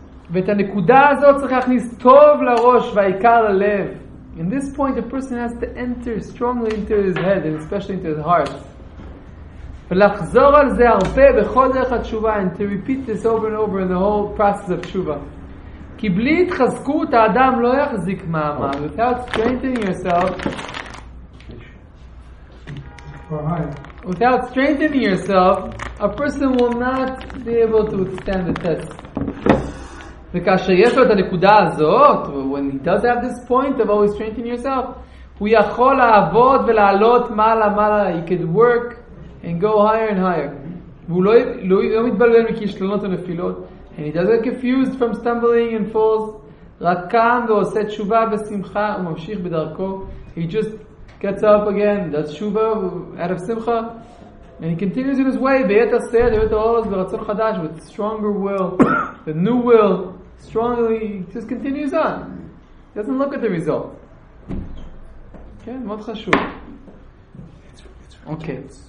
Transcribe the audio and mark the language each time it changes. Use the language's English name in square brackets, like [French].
[Hebrew] ואת הנקודה הזאת צריך להכניס טוב לראש והעיקר ללב. [English] In this point, a person has to enter strongly into his head and especially into his heart. [Hebrew] ולחזור על זה הרבה בכל דרך התשובה, [English] and to repeat this over and over in the whole process of תשובה. [Hebrew] כי בלי התחזקות האדם לא יחזיק מעמד. [English] Without strengthening yourself, without strengthening yourself, a person will not be able to withstand the test. [Hebrew] וכאשר יש לו את הנקודה הזאת, [English] when he does have this point of always strengthening yourself, [Hebrew] הוא יכול לעבוד ולעלות מעלה מעלה. [English] He could work and go higher and higher. [Hebrew] והוא לא מתבלבל מכישלונות ונפילות, [English] and he doesn't get confused from stumbling and falls. [Hebrew] רק קם ועושה תשובה בשמחה וממשיך בדרכו. [English] He just gets up again, does shuvah out of simcha, and he continues in his way. Be'etah said, be'etah olas, be'ratzon chadash, with stronger will, the new will, strongly, just continues on. Doesn't look at the result. Okay, mot chashuv. Okay.